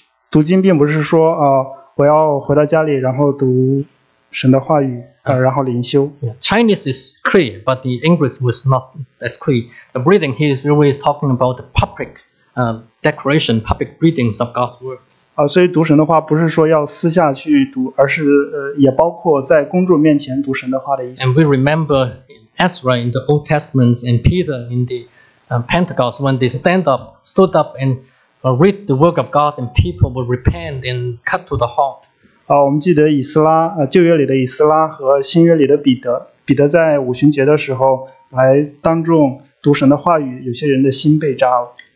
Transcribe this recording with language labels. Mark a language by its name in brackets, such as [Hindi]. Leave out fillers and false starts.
[Chinese] 读经并不是说我要回到家里然后读神的话语，然后灵修。 [English] Chinese is clear, but the English was not as clear. The reading here is really talking about the public declaration, public readings of God's word. [Chinese] 所以读神的话不是说要私下去读，而是也包括在公众面前读神的话的意思。 [English] And we remember Ezra in the Old Testament and Peter in the Pentecost when they stood up and read the word of God and people will repent and cut to the heart. [Chinese] 我们记得以斯拉，旧约里的以斯拉和新约里的彼得，彼得在五旬节的时候来当众读神的话语，有些人的心被扎了。